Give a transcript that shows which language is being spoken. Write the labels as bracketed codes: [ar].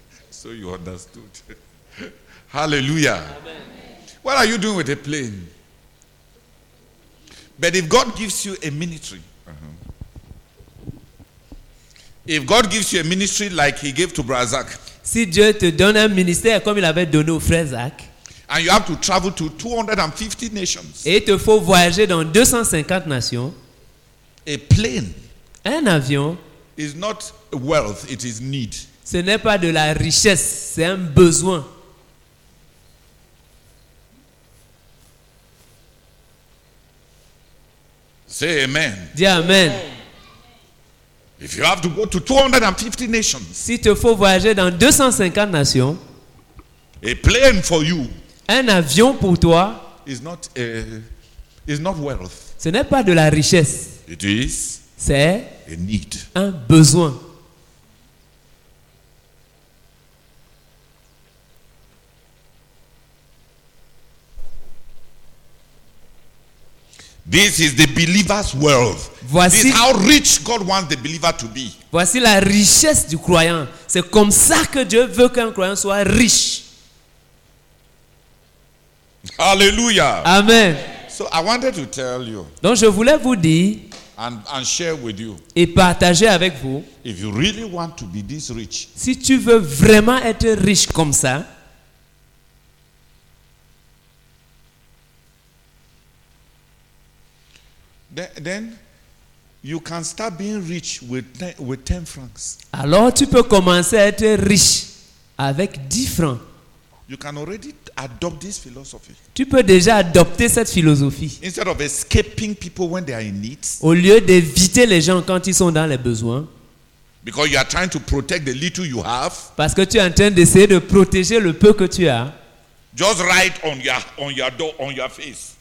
[en] So you understood. Hallelujah. Amen. What are you doing with a plane? But if God gives you a ministry, if God gives you a ministry like he gave to Brother Zach, [fr] si Dieu te donne un ministère comme il avait donné au frère Zach, [en] and you have to travel to 250 nations, [fr] et te faut voyager dans 250 nations, [en] a plane, [fr] un avion, [en] is not wealth, it is need. [fr] Ce n'est pas de la richesse, c'est un besoin. [en] Say amen. [fr] Dis amen. [en] If you have to go to 250 nations, [fr] si te faut voyager dans 250 nations, [en] a plane for you, [fr] un avion pour toi, [en] is not wealth. [fr] Ce n'est pas de la richesse. [en] It is. [fr] C'est [en] a need. [fr] Un besoin. [en] This is the believer's world. [fr] Voici, [en] this is how rich God wants the believer to be. [fr] Voici la richesse du croyant. C'est comme ça que Dieu veut qu'un croyant soit riche. [en] Hallelujah. Amen. So I wanted to tell you. [fr] Donc je voulais vous dire [en] and share with you. [fr] Et partager avec vous. [en] If you really want to be this rich. [fr] Si tu veux vraiment être riche comme ça. [en] Then you can start being rich with 10 francs. [fr] Alors tu peux commencer à être riche avec 10 francs. [en] You can already adopt this philosophy. [fr] Tu peux déjà adopter cette philosophie. [en] Instead of escaping people when they are in need. [fr] Au lieu d'éviter les gens quand ils sont dans les besoins. [en] Because you are trying to protect the little you have. [fr] Parce que tu es en train d'essayer de protéger le peu que tu as. [en] Just write on your door, on your face.